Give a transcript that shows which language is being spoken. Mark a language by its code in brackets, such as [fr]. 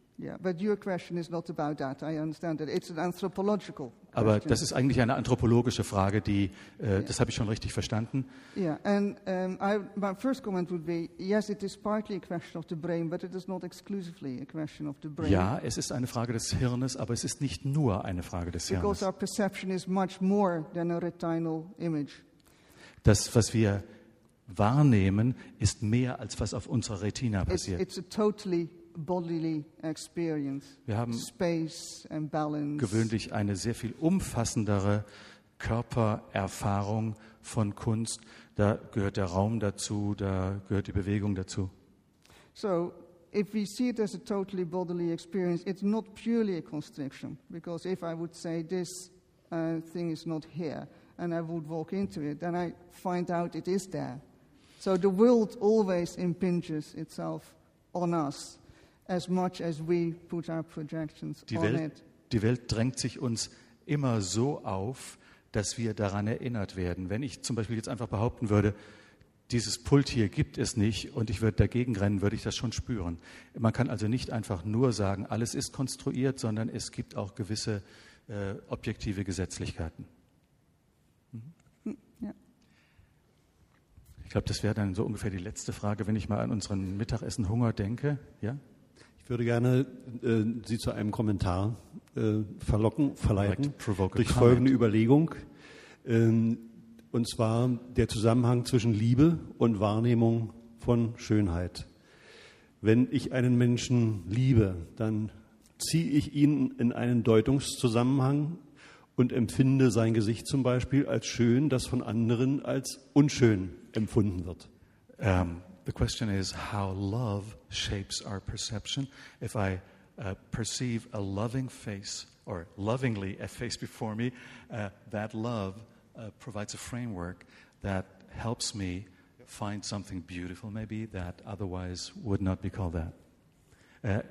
[en] Yeah, but your question is not about that. I understand that it's an anthropological question. [de] Aber das ist eigentlich eine anthropologische Frage, die yeah. Das habe ich schon richtig verstanden. [en] Yeah, and my first comment would be, yes, it is partly a question of the brain, but it is not exclusively a question of the brain. [de] Ja, es ist eine Frage des Hirnes, aber es ist nicht nur eine Frage des Hirnes. [en] Because our perception is much more than a retinal image. [de] Das, was wir wahrnehmen, ist mehr als was auf unserer Retina passiert. [en] It's a totally bodily experience. [de] Wir haben [en] space and balance. [de] Gewöhnlich eine sehr viel umfassendere Körpererfahrung von Kunst. Da gehört der Raum dazu, da gehört die Bewegung dazu. [en] So, if we see it as a totally bodily experience, it's not purely a constriction. Because if I would say this thing is not here and I would walk into it, then I find out it is there. So the world always impinges itself on us. As much as we put our projections [de] die Welt, [en] on it. [de] Die Welt drängt sich uns immer so auf, dass wir daran erinnert werden. Wenn ich zum Beispiel jetzt einfach behaupten würde, dieses Pult hier gibt es nicht und ich würde dagegen rennen, würde ich das schon spüren. Man kann also nicht einfach nur sagen, alles ist konstruiert, sondern es gibt auch gewisse objektive Gesetzlichkeiten. Ich glaube, das wäre dann so ungefähr die letzte Frage, wenn ich mal an unseren Mittagessen Hunger denke. Ja? Ich würde gerne Sie zu einem Kommentar verleiten, [en] like [de] durch folgende Überlegung. Und zwar der Zusammenhang zwischen Liebe und Wahrnehmung von Schönheit. Wenn ich einen Menschen liebe, dann ziehe ich ihn in einen Deutungszusammenhang und empfinde sein Gesicht zum Beispiel als schön, das von anderen als unschön empfunden wird. [en] The question is how love shapes our perception. If I perceive a loving face or lovingly a face before me, that love provides a framework that helps me find something beautiful maybe that otherwise would not be called that.